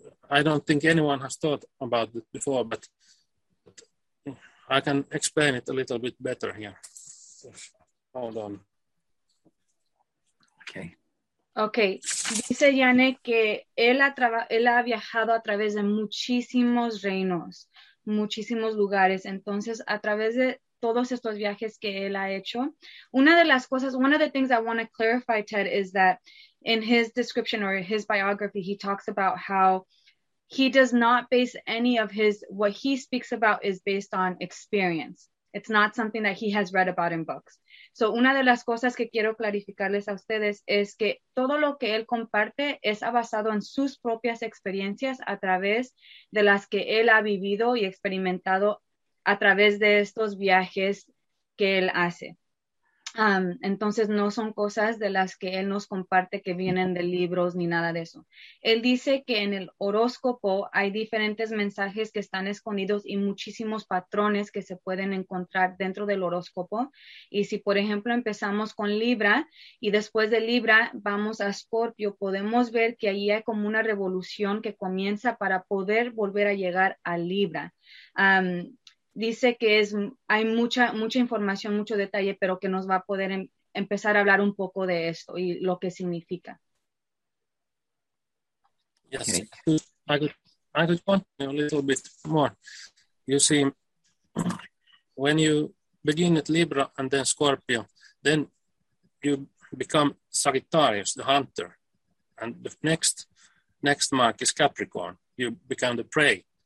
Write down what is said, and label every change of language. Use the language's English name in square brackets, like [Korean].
[English] I don't think anyone has thought about it before, but I can explain it a little bit better here. Hold on. Okay. [Spanish] Okay, dice Yane que él ha viajado a través de muchísimos reinos, muchísimos lugares. Entonces, a través de todos estos viajes que él ha hecho, una de las cosas, [English] one of the things I want to clarify, Ted, is that in his description or his biography, he talks about how he does not base any of his, what he speaks about is based on experience. It's not something that he has read about in books. [Spanish] So una de las cosas que quiero clarificarles a ustedes es que todo lo que él comparte es basado en sus propias experiencias a través de las que él ha vivido y experimentado a través de estos viajes que él hace. Entonces no son cosas de las que él nos comparte que vienen de libros ni nada de eso. Él dice que en el horóscopo hay diferentes mensajes que están escondidos y muchísimos patrones que se pueden encontrar dentro del horóscopo. Y si, por ejemplo, empezamos con Libra y después de Libra vamos a Escorpio, podemos ver que ahí hay como una revolución que comienza para poder volver a llegar a Libra. Dice que hay mucha información, mucho detalle, pero que nos va a poder empezar a hablar un poco de esto y lo que significa. [English] Yes, okay. I could want a little bit more. You see, when you begin at Libra and then Scorpio, then you become Sagittarius, the hunter. And the next mark is Capricorn. You become the prey.